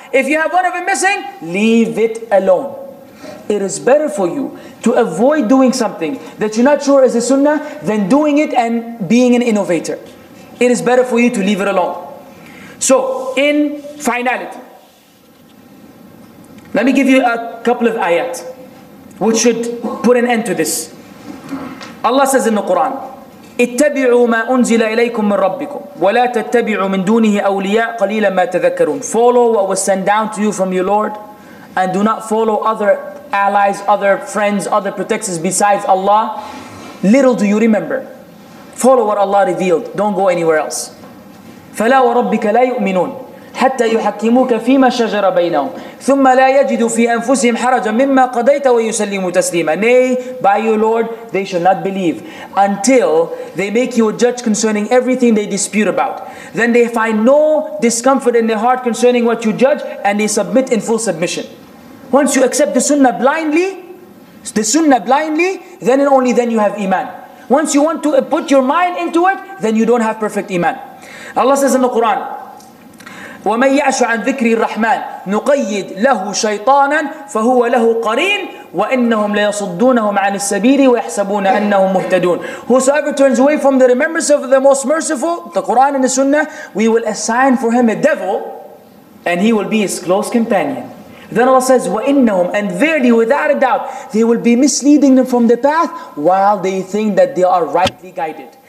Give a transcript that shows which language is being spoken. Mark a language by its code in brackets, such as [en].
[en] If you have one of them missing, leave it alone. It is better for you to avoid doing something that you're not sure is a sunnah than doing it and being an innovator. It is better for you to leave it alone. So, in finality, let me give you a couple of ayat which should put an end to this. Allah says in the Quran, [ar] اتبعوا ما أنزل إليكم من ربكم ولا تتبعوا من دونه أولياء قليلا ما تذكرون. [en] Follow what was sent down to you from your Lord, and do not follow other allies, other friends, other protectors besides Allah. Little do you remember. Follow what Allah revealed. Don't go anywhere else. [ar] فلا وربك لا يؤمنون حتى يحكموك فيما شجر بينهم ثم لا يجدوا في أنفسهم حرجا مما قضيت ويسلموا تسليما. [en] Nay, by your Lord, they shall not believe until they make you a judge concerning everything they dispute about. Then they find no discomfort in their heart concerning what you judge, and they submit in full submission. Once you accept the sunnah blindly, then and only then you have iman. Once you want to put your mind into it, then you don't have perfect iman. Allah says in the Quran, [ar] ومن يعش عن ذكر الرحمن نقيد له شيطانا فهو له قرين وإنهم ليصدونهم عن السبيل ويحسبون أنهم مهتدون. [en] Whosoever turns away from the remembrance of the most merciful, the Quran and the Sunnah, we will assign for him a devil and he will be his close companion. Then Allah says, وَإِنَّهُمْ, and verily, without a doubt, they will be misleading them from the path while they think that they are rightly guided.